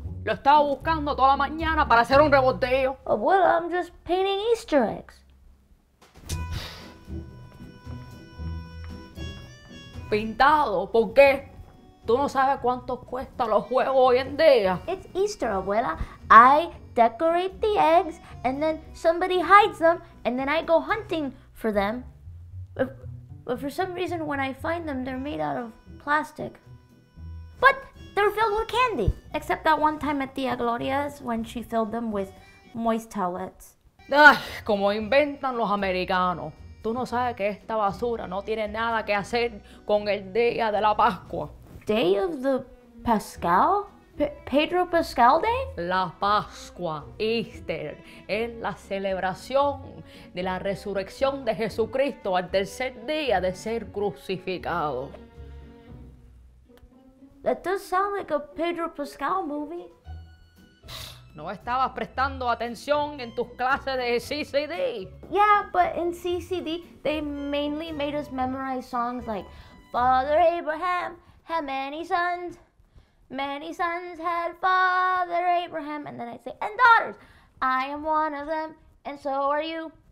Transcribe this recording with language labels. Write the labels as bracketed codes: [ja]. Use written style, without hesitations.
[es] Lo estaba buscando toda la mañana para hacer un reboteo. [en] Abuela, I'm just painting Easter eggs. [es] ¿Pintado? ¿Por qué? ¿Tú no sabes cuánto cuestan los juegos hoy en día? [en] It's Easter, abuela. I decorate the eggs, and then somebody hides them, and then I go hunting for them. But for some reason, when I find them, they're made out of plastic. But they're filled with candy. Except that one time at Tia Gloria's, when she filled them with moist towels. [es] Ay, como inventan los americanos. Tú no sabes que esta basura no tiene nada que hacer con el día de la Pascua. [en] Day of the Pascal? Pedro Pascal Day? [es] La Pascua, Easter, es la celebración de la resurrección de Jesucristo al tercer día de ser crucificado. [en] That does sound like a Pedro Pascal movie. [es] No estabas prestando atención en tus clases de CCD. [en] Yeah, but in CCD, they mainly made us memorize songs like Father Abraham had many sons. Many sons had Father Abraham. And then I say, and daughters. I am one of them, and so are you.